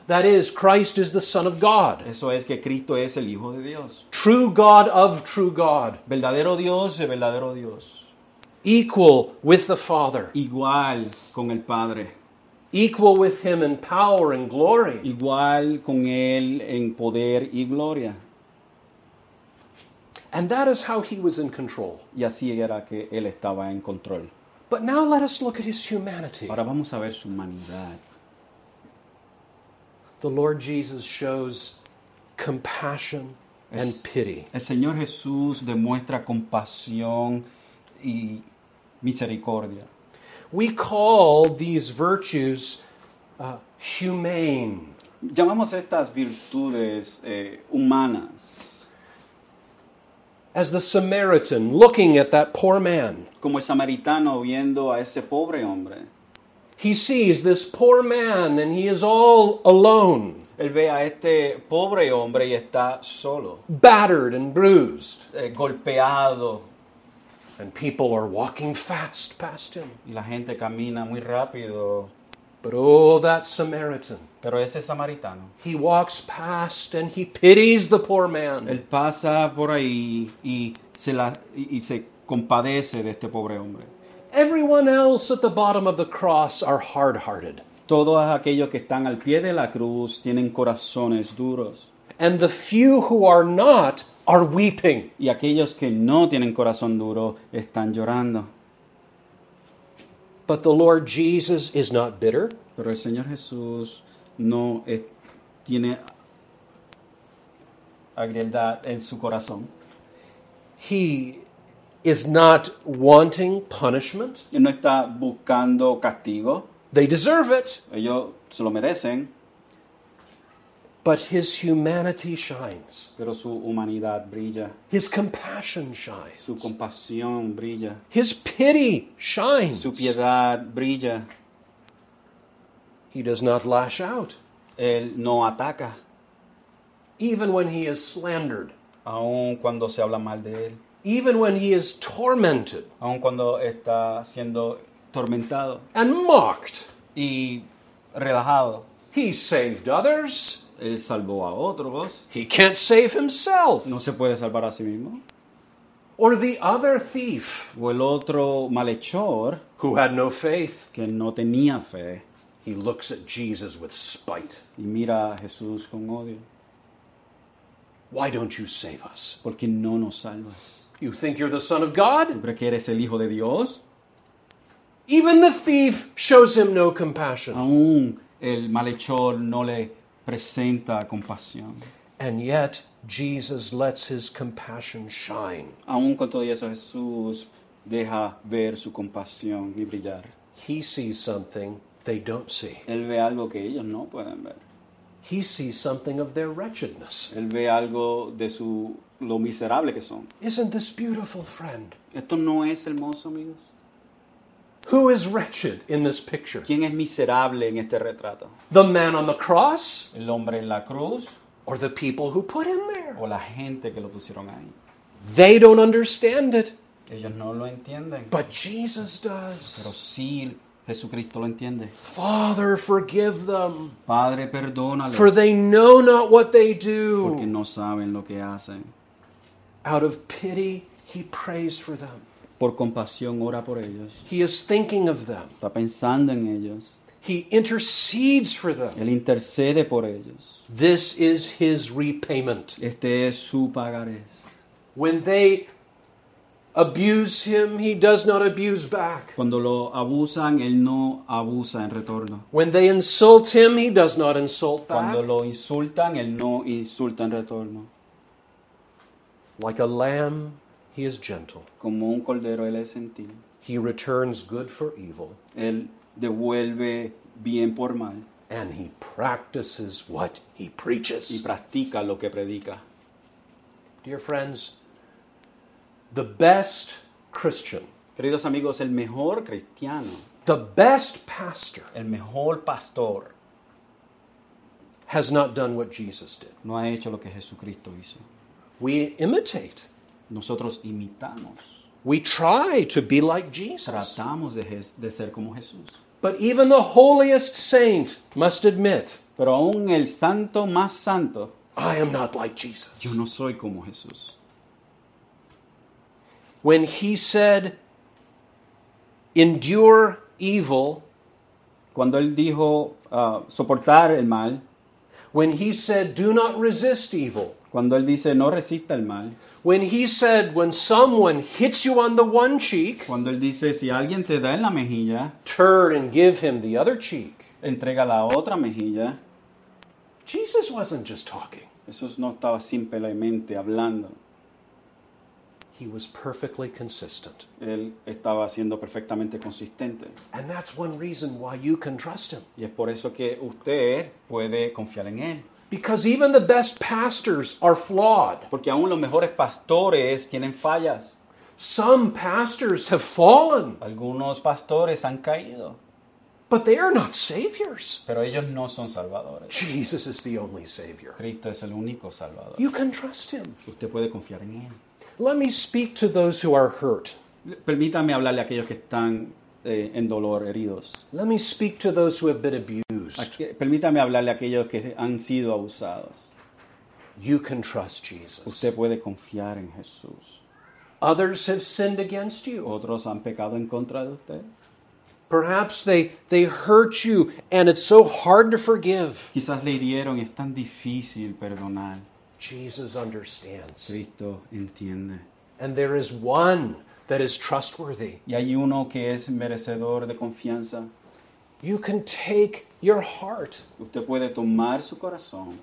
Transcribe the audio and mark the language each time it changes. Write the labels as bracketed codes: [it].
[en] That is, Christ is the Son of God. [es] Eso es que Cristo es el Hijo de Dios. [en] True God of true God. [es] Verdadero Dios de verdadero Dios. [en] Equal with the Father. [es] Igual con el Padre. [en] Equal with him in power and glory. [es] Igual con él en poder y gloria. [en] And that is how he was in control. [es] Y así era que él estaba en control. [en] But now let us look at his humanity. [es] Ahora vamos a ver su humanidad. [en] The Lord Jesus shows compassion and pity. [es] El Señor Jesús demuestra compasión y misericordia. [en] We call these virtues humane. [es] Llamamos estas virtudes humanas. [en] As the Samaritan looking at that poor man. [es] Como el samaritano viendo a ese pobre hombre. [en] He sees this poor man and he is all alone. [es] Él ve a este pobre hombre y está solo. [en] Battered and bruised. [es] Golpeado. [en] And people are walking fast past him. [es] Y la gente camina muy rápido. [en] But oh, that Samaritan. [es] Pero ese samaritano. [en] He walks past and he pities the poor man. [es] Él pasa por ahí y se compadece de este pobre hombre. [en] Everyone else at the bottom of the cross are hard-hearted. [es] Todos aquellos que están al pie de la cruz tienen corazones duros. [en] And the few who are not are weeping. [es] Y aquellos que no tienen corazón duro están llorando. [en] But the Lord Jesus is not bitter. [es] Pero el Señor Jesús no tiene agrialdad en su corazón. [en] He is not wanting punishment. [es] Él no está buscando castigo. [en] They deserve it. [es] Ellos se lo merecen. [en] But his humanity shines. [es] Pero su humanidad brilla. [en] His compassion shines. [es] Su compasión brilla. [en] His pity shines. [es] Su piedad brilla. [en] He does not lash out. [es] Él no ataca. [en] Even when he is slandered. [es] Aun cuando se habla mal de él. [en] Even when he is tormented. [es] Aun cuando está siendo tormentado. [en] And mocked. [es] Y relajado. [en] He saved others. [es] Él salvó a otros. [en] He can't save himself. [es] No se puede salvar a sí mismo. [en] Or the other thief. [es] O el otro malhechor. [en] Who had no faith. [es] Que no tenía fe. [en] He looks at Jesus with spite. [es] Y mira a Jesús con odio. [en] Why don't you save us? [es] Porque no nos salvas. [en] You think you're the Son of God? [es] ¿Tú crees que eres el Hijo de Dios? [en] Even the thief shows him no compassion. [es] Aún el malhechor no le presenta compasión. [en] And yet Jesus lets his compassion shine. [es] Aun con todo eso, Jesús deja ver su compasión y brillar. [en] He sees something they don't see. [es] Él ve algo que ellos no pueden ver. [en] He sees something of their wretchedness. [es] Él ve algo de su lo miserable que son. [en] Isn't this beautiful, friend? [es] ¿Esto no es hermoso, amigos? [en] Who is wretched in this picture? [es] ¿Quién es miserable en este retrato? [en] The man on the cross? [es] El hombre en la cruz? [en] Or the people who put him there? [es] O la gente que lo pusieron ahí. [en] They don't understand it. [es] Ellos no lo entienden. [en] But Jesus does. [es] Pero sí, Jesucristo lo entiende. [en] Father, forgive them. [es] Padre, perdónales. [en] For they know not what they do. [es] Porque no saben lo que hacen. [en] Out of pity, he prays for them. [es] Por compasión, ora por ellos. [en] He is thinking of them. [es] Está pensando en ellos. [en] He intercedes for them. [es] Él intercede por ellos. [en] This is his repayment. [es] Este es su pagaré. [en] When they abuse him, he does not abuse back. [es] Cuando lo abusan, él no abusa en retorno. [en] When they insult him, he does not insult back. [es] Cuando lo insultan, él no insulta en retorno. [en] Like a lamb, he is gentle. [es] Como un cordero, él es gentil. [en] He returns good for evil. [es] Él devuelve bien por mal. [en] And he practices what he preaches. [es] Y practica lo que predica. [en] Dear friends, the best Christian. [es] Queridos amigos, el mejor cristiano. [en] The best pastor. [es] El mejor pastor. [en] Has not done what Jesus did. [es] No ha hecho lo que Jesucristo hizo. [en] We imitate. [es] Nosotros imitamos. [en] We try to be like Jesus. [es] Tratamos de ser como Jesús. [en] But even the holiest saint must admit. [es] Pero aún el santo más santo. [en] I am not like Jesus. [es] Yo no soy como Jesús. [en] When he said, endure evil. [es] Cuando él dijo, soportar el mal. [en] When he said, do not resist evil. [es] Cuando él dice, no resista el mal. [en] When he said, when someone hits you on the one cheek. [es] Cuando él dice, si alguien te da en la mejilla. [en] Turn and give him the other cheek. [es] Entrega la otra mejilla. [en] Jesus wasn't just talking. [es] Jesús no estaba simplemente hablando. [en] He was perfectly consistent. [es] Él estaba siendo perfectamente consistente. [en] And that's one reason why you can trust him. [es] Y es por eso que usted puede confiar en él. [en] Because even the best pastors are flawed. [es] Porque aún los mejores pastores tienen fallas. [en] Some pastors have fallen. [es] Algunos pastores han caído. [en] But they are not saviors. [es] Pero ellos no son salvadores. [en] Jesus is the only savior. [es] Cristo es el único salvador. [en] You can trust him. [es] Usted puede confiar en él. [en] Let me speak to those who are hurt. [es] Permítame hablarle a aquellos que están en dolor, heridos. [en] Let me speak to those who have been abused. [es] Permítame hablarle a aquellos que han sido abusados. [en] You can trust Jesus. [es] Usted puede confiar en Jesús. [en] Others have sinned against you. [es] Otros han pecado en contra de usted. [en] Perhaps they hurt you and it's so hard to forgive. [es] Quizás le hirieron y es tan difícil perdonar. [en] Jesus understands. [es] Cristo entiende. [en] And there is one that is trustworthy. [es] Y hay uno que es merecedor de confianza. [en] You can take your heart. [es] Usted puede tomar su corazón.